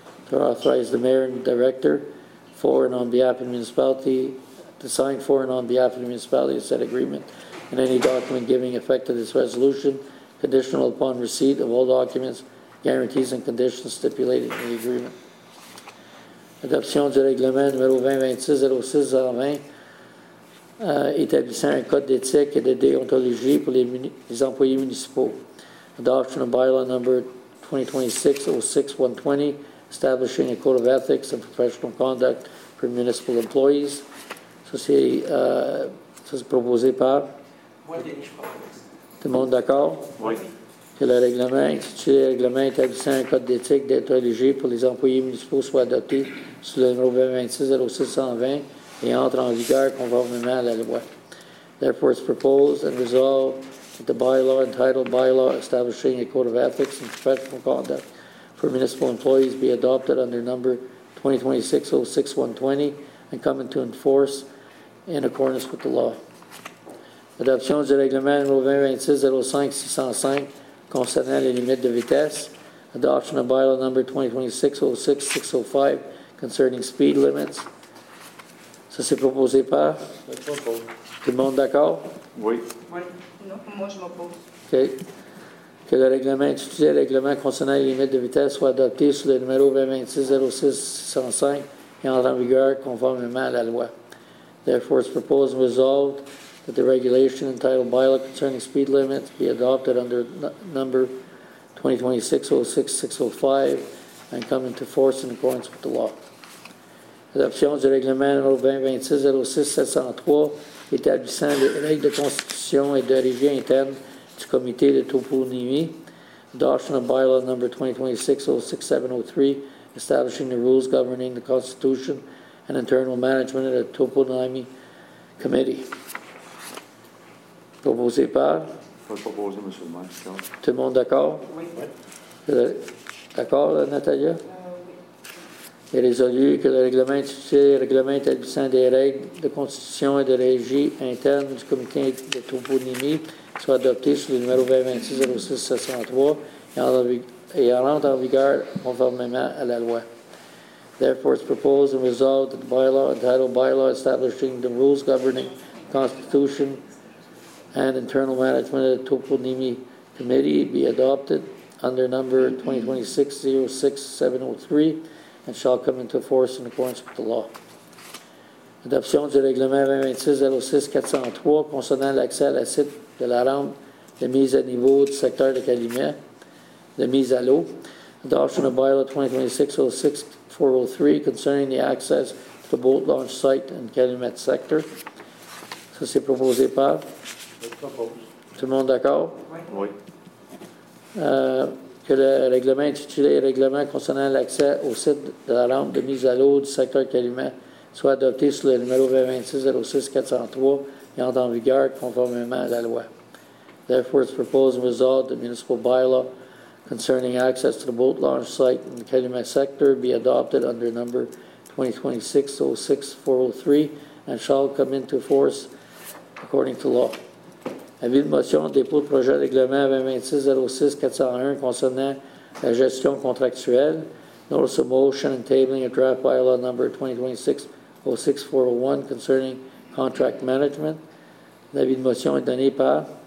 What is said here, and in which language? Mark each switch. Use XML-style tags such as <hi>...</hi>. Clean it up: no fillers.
<en>to authorize the mayor and director for and on behalf of the municipality to sign for and on behalf of the municipality to set agreement and any document giving effect to this resolution, conditional upon receipt of all documents, guarantees and conditions stipulated in the agreement.</en> <fr>Adoption du règlement numéro 2026-06-20 établissant un code d'éthique et de déontologie pour les employés municipaux.</fr> <en>Adoption of bylaw number 2026-06-120 establishing a code of ethics and professional conduct for municipal employees.</en> <fr>Ça c'est proposé par? Moi, Denis, je propose. Tout le monde d'accord? Oui. Que le règlement intitulé Règlement établissant un code d'éthique déontologique pour les employés municipaux soit adopté sous le numéro 2026-06-120 et entre en vigueur conformément à la loi.</fr> <en>Therefore, it's proposed and resolved that the bylaw entitled Bylaw Establishing a Code of Ethics and Professional Conduct for Municipal Employees be adopted under number 2026-06-120 and come into force in accordance with the law.</en> <fr>Adoption du règlement numéro 2026-05-605 concernant les limites de vitesse.</fr> <en>Adoption of bylaw number 2026-06-605 concerning speed limits.</en> <fr>Ça, c'est proposé par? Tout le monde d'accord? Oui. Oui. Moi, je m'oppose. OK. Que le règlement étudié, le règlement concernant les limites de vitesse, soit adopté sous le numéro 2026-06-605 et entre en vigueur conformément à la loi.</fr> <en>Therefore, it's proposed and resolved that the regulation entitled bylaw concerning speed limits be adopted under number 2026-06-605 and come into force in accordance with the law.</en> <fr>Adoption du règlement numéro 2026-06-703 établissant les règles de constitution et d'origine interne du comité de toponymie.</fr> <en>Adoption of bylaw number 2026-06-703 establishing the rules governing the constitution and internal management of the toponymie committee.</en> <fr>Proposé par? Proposé, M. le maire. Tout le monde d'accord? Oui. D'accord, Natalia? Oui. Il est résolu que le règlement institué, le règlement établissant des règles de constitution et de régie interne du comité de toponymie soit adopté sous le numéro 2026-06-703 et entre en vigueur conformément à la loi.</fr> <en>Therefore, it's proposed and resolved that the bylaw, entitled bylaw establishing the rules governing constitution and internal management of the toponymie committee be adopted under number 2026-06-703 and shall come into force in accordance with the law.</en> <fr>Adoption du règlement 2026-06-403 concernant l'accès à la site de la rampe de mise à niveau du secteur de Calumet, de mise à l'eau.</fr> <en>Adoption of bylaw 2026-06-403 concerning the access to the boat launch site in Calumet sector.</en> <fr>Ça, c'est proposé par? Tout le monde d'accord? Oui. Que le règlement intitulé règlement concernant l'accès au site de la rampe de mise à l'eau du secteur Calumet soit adopté sous le numéro 2026-06-403 et entre en vigueur conformément à la loi.</fr> <en>Therefore, it's proposed and resolved the municipal bylaw concerning access to the boat launch site in the Calumet sector be adopted under number 2026-06-403 and shall come into force according to law.</en> <fr>Avis de motion, dépôt de projet de règlement 2026-06-401 concernant la gestion contractuelle.</fr> <en>Notice of motion and tabling a draft bylaw number 2026-06-401 concerning contract management.</en> <fr>L'avis de motion est donné par?</fr>